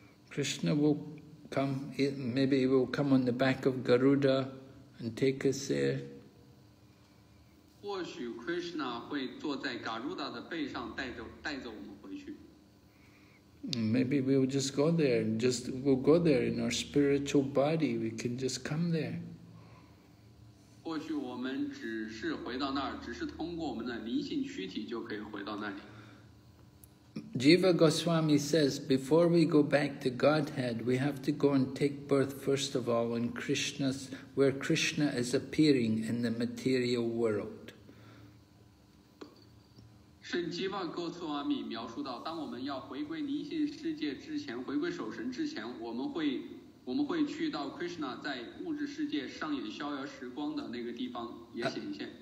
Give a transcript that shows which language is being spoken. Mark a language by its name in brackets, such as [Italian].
[English] Krishna will come, maybe he will come on the back of Garuda and take us there. [Chinese] 或许 Krishna 会坐在 Garuda 的背上带走我们回去。 [English] Maybe we will just go there, just we'll go there in our spiritual body. We can just come there. [Chinese] 或许我们只是回到那儿，只是通过我们的灵性躯体就可以回到那里。 [English] Jiva Goswami says, before we go back to Godhead, we have to go and take birth first of all in Krishna's, where Krishna is appearing in the material world. [Chinese] Shin Jiva Goswami 描述到，当我们要回归灵性世界之前，回归守神之前，我们会去到 Krishna 在物质世界上演逍遥时光的那个地方也显现。